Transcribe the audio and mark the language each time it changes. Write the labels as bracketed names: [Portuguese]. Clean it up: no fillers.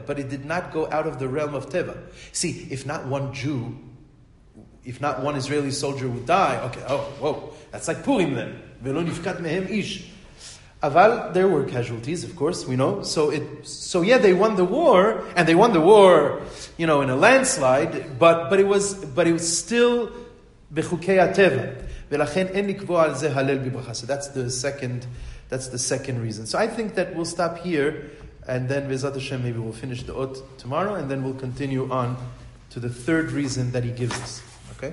[English] But it did not go out of the realm of teva. See, if not one Jew, if not one Israeli soldier would die, okay, oh, whoa, that's like Purim then. [Hebrew] ולא נפקד מהם איש. אבל [English] there were casualties, of course, we know. So yeah, they won the war, and they won the war, you know, in a landslide, but it was still [Hebrew] בחוקי הטבע. ולכן אין לקבוע על זה הלל בברכה. [English] So that's the second reason. So I think that we'll stop here, and then Bezat Hashem, maybe we'll finish the Ot tomorrow, and then we'll continue on to the third reason that he gives us. Okay?